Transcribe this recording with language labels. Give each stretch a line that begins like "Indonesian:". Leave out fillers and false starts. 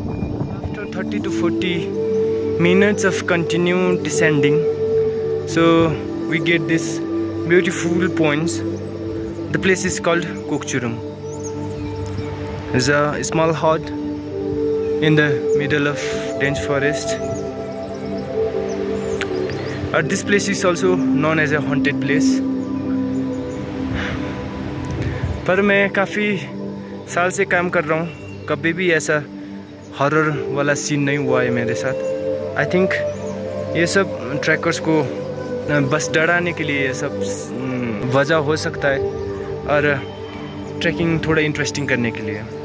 English: After 30 to 40 minutes of continue descending so we get this beautiful points. The place is called Kokchurung, is a small hut in the middle of dense forest. At this place is also known as a haunted place.
Hindi: पर मैं काफ़ी साल से काम कर रहा हूँ, कभी भी ऐसा हॉरर वाला सीन नहीं हुआ है मेरे साथ।
English: I think
Hindi: ये सब ट्रैकर्स को बस डराने के लिए ये सब वजह हो सकता है, और ट्रैकिंग थोड़ा इंटरेस्टिंग करने के लिए।